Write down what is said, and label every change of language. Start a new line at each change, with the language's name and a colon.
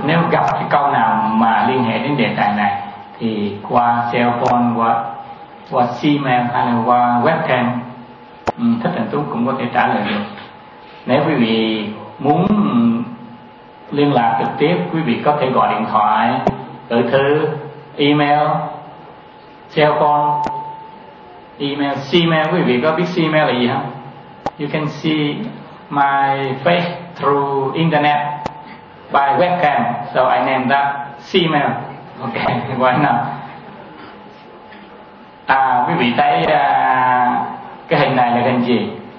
Vietnamese: Nếu gặp cái câu nào mà liên hệ đến đề tài này thì qua cell phone, qua email hay là qua webcam, Thích Thành Tú cũng có thể trả lời được. Nếu quý vị muốn liên lạc trực tiếp, quý vị có thể gọi điện thoại, gửi thư, email, cell phone, email, email. Quý vị có biết email là gì không?
English: You can see my face through internet by webcam, so I name that email. Ok, why not?
Vietnamese: Quý vị thấy cái hình này là hình gì?